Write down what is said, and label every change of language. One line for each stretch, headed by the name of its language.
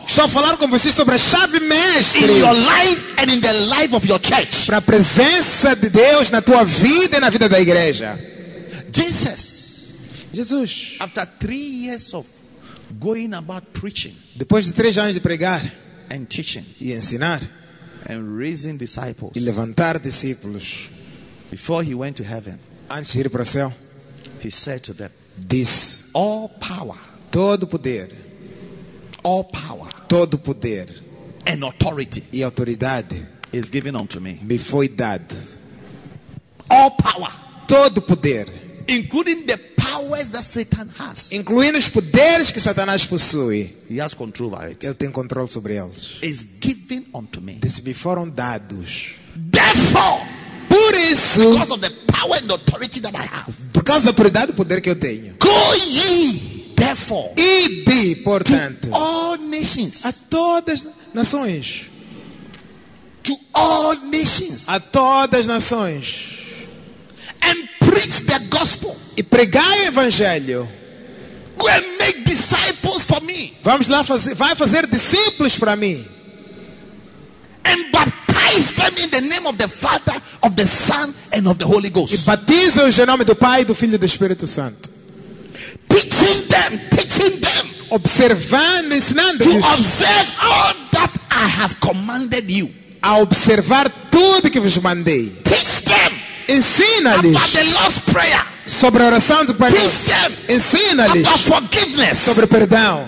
Portuguese: Estou a falar com você sobre a chave mestre.
English: In your life and in the life of your church.
Portuguese: Para a presença de Deus na tua vida e na vida da igreja.
English: Jesus. After 3 years of going about preaching.
Portuguese: Depois de 3 anos de pregar.
English: And teaching.
Portuguese: E ensinar.
English: And raising disciples.
Portuguese: E levantar discípulos.
English: Before he went to heaven.
Portuguese: Antes de ir para o céu.
English: He said to them. This. All power.
Portuguese: Todo poder.
English: All power.
Portuguese: Todo poder.
English: And authority.
Portuguese: E autoridade.
English: Is given unto me.
Portuguese: Me foi dado.
English: All power.
Portuguese: Todo poder.
English: Including the powers that Satan has.
Portuguese: Incluindo os poderes que Satanás possui.
English: He has control over it.
Portuguese: Ele tem controle sobre eles.
English: Is given unto me.
Portuguese: Disse, me foram dados.
English: Therefore.
Portuguese: Por isso.
English: Because of the power and authority that I have.
Portuguese: Por causa da autoridade e poder que eu tenho.
English: Go ye, therefore.
Portuguese: Ide, portanto.
English: To all nations.
Portuguese: A todas nações.
English: To all nations.
Portuguese: A todas nações.
English: And preach the gospel.
Portuguese: E pregai o evangelho.
English: Go and make disciples for me.
Portuguese: Vamos lá fazer, vai fazer discípulos para mim.
English: And baptize them in the name of the Father, of the Son, and of the Holy Ghost.
Portuguese: E batize-os em nome do Pai, do Filho e do Espírito Santo.
English: Teaching them.
Portuguese: Observando, ensinando-os.
English: To observe all that I have commanded you.
Portuguese: A observar tudo que vos mandei.
English: Teach them.
Portuguese: Ensina-lhes.
English: About the Lord's Prayer.
Portuguese: Sobre a oração do Pai.
English: Teach them.
Portuguese: Ensina-lhes.
English: About forgiveness.
Portuguese: Sobre perdão.